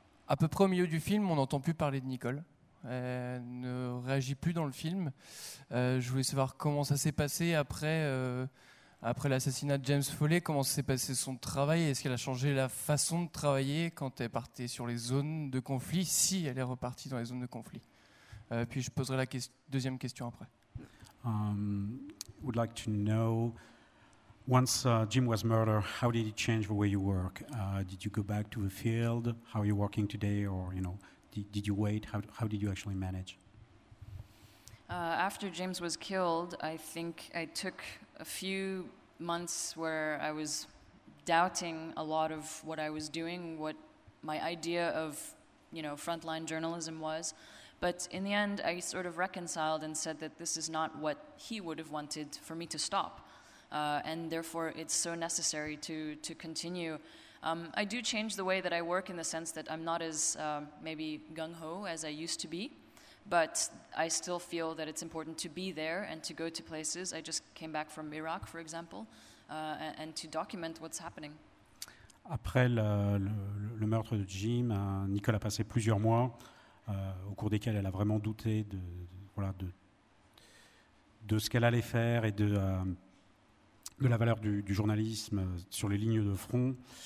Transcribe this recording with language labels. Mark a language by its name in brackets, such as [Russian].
[French] À peu près au milieu du film, on n'entend plus parler de Nicole. Elle ne réagit plus dans le film. Je voulais savoir comment ça s'est passé après l'assassinat de James Foley. Comment s'est passé son travail? Est-ce qu'elle a changé la façon de travailler quand elle partait sur les zones de conflit, si elle est repartie dans les zones de conflit? Puis je poserai la deuxième question après. [English] I would like to know, once Jim was murdered, how did it change the way you work? Did you go back to the field? How are you working today? Or, you know, did you wait? How did you actually manage? After James was killed, I think I took a few months where I was doubting a lot of what I was doing, what my idea of, you know, frontline journalism was. But in the end, I sort of reconciled and said that this is not what he would have wanted for me to stop. And therefore, it's so necessary to continue. I do change the way that I work in the sense that I'm not as maybe gung-ho as I used to be, but I still feel that it's important to be there and to go to places. I just came back from Iraq, for example, and to document what's happening. [French] Après le meurtre de Jim, Nicole a passé plusieurs mois au cours desquels elle a vraiment douté de ce qu'elle allait faire et de la valeur du journalisme sur les lignes de front.